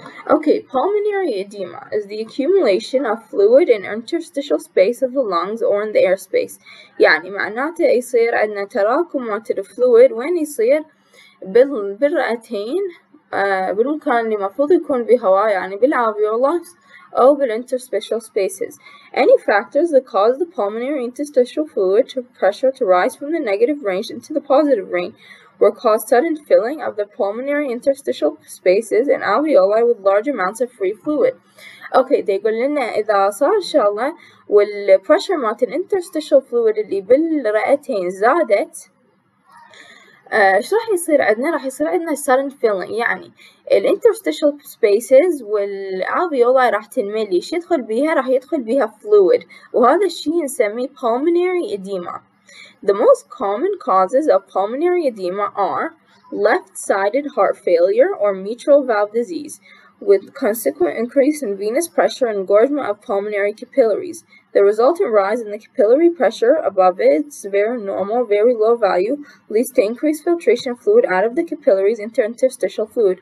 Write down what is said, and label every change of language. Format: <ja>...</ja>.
<en>Okay, pulmonary edema is the accumulation of fluid in interstitial space of the lungs or in the airspace.</en> <ar>يعني معناته يصير عندنا تراكم مالت ال fluid وين يصير؟ بالرئتين. بالمكان اللي مفروض يكون بهواء يعني بالالفيولوس أو بالinterstitial spaces.</ar> <en>Any factors that cause the pulmonary interstitial fluid to pressure to rise from the negative range into the positive range will cause sudden filling of the pulmonary interstitial spaces and alveoli with large amounts of free fluid. Okay, they</en> <ar>يقول لنا إذا صار إن شاء الله والpressure مالت الinterstitial fluid اللي بالرئتين زادت ايش راح يصير عندنا؟ راح يصير عندنا sudden filling، يعني ال interstitial spaces والalveoli راح تنملي، ايش يدخل بيها؟ راح يدخل بيها fluid، وهذا الشيء نسميه pulmonary edema.</ar> <en>The most common causes of pulmonary edema are left-sided heart failure or mitral valve disease with consequent increase in venous pressure and engorgement of pulmonary capillaries. The resultant rise in the capillary pressure above its very normal, very low value leads to increased filtration fluid out of the capillaries into interstitial fluid.</en>